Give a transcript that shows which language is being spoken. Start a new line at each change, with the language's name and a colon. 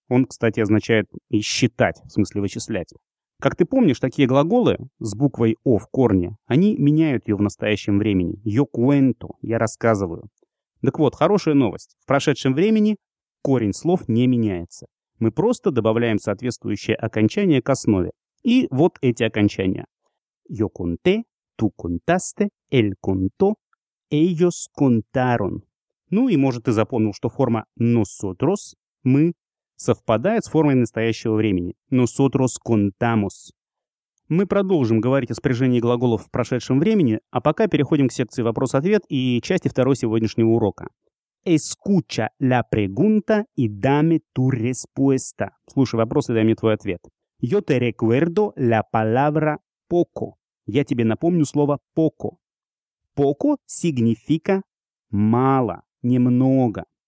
Russian: Он, кстати, означает и «считать», в смысле «вычислять». Как ты помнишь, такие глаголы с буквой «о» в корне, они меняют ее в настоящем времени.
Spanish: «Yo cuento»
Russian: — «я рассказываю». Так вот, хорошая новость. В прошедшем времени корень слов не меняется. Мы просто добавляем соответствующее окончание к основе. И вот эти окончания.
Spanish: Yo conté, tú contaste, él contó, ellos contaron.
Russian: Ну и, может, ты запомнил, что форма
Spanish: nosotros, мы,
Russian: совпадает с формой настоящего времени.
Spanish: Nosotros contamos.
Russian: Мы продолжим говорить о спряжении глаголов в прошедшем времени, а пока переходим к секции вопрос-ответ и части второй сегодняшнего урока.
Spanish: Escucha la pregunta y dame tu respuesta.
Russian: Слушай вопрос и дай мне твой ответ.
Spanish: Yo te recuerdo la palabra poco.
Russian: Я тебе напомню слово poco.
Spanish: Poco significa
Russian: мало, немного.